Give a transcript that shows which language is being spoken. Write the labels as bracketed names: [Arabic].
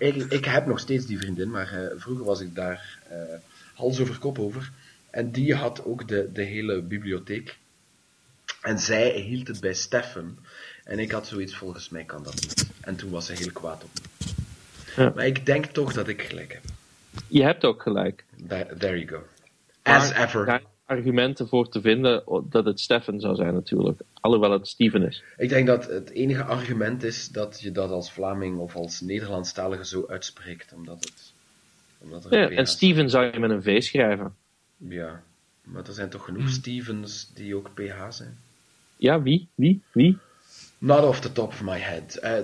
[Dutch] ik heb nog steeds die vriendin, maar vroeger was ik daar hals over kop over. En die had ook de hele bibliotheek. En zij hield het bij Stefan. En ik had zoiets, volgens mij kan dat niet. En toen was ze heel kwaad op me. Ja. Maar ik denk toch dat ik gelijk heb. Je hebt ook gelijk. [English] There you go. As maar, ever. [Dutch] argumenten voor te vinden dat het Stefan zou zijn natuurlijk. Alhoewel het Steven is. Ik denk dat het enige argument is dat je dat als Vlaming of als Nederlandstalige zo uitspreekt. En Steven zou je met een V schrijven. Ja, maar er zijn toch genoeg Stevens die ook PH zijn? Ja, wie? [English] Not off the top of my head.